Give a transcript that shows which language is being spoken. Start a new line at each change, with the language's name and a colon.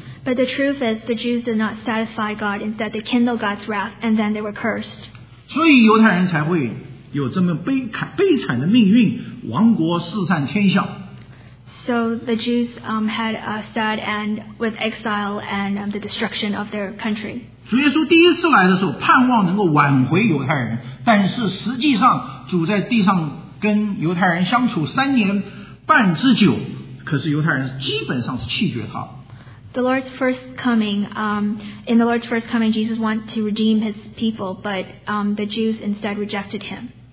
English: But the truth is, the Jews did not satisfy God. Instead, they kindled God's wrath, and then they were cursed.
Chinese: 所以犹太人才会有这么悲惨的命运，亡国四散天下。
English: So the Jews had a sad end with exile and the destruction of their country.
Chinese: 主耶稣第一次来的时候，盼望能够挽回犹太人，但是实际上主在地上跟犹太人相处三年半之久，可是犹太人基本上是弃绝他。
English: The Lord's first coming, in the Lord's first coming, Jesus wanted to redeem his people, but the Jews instead rejected him.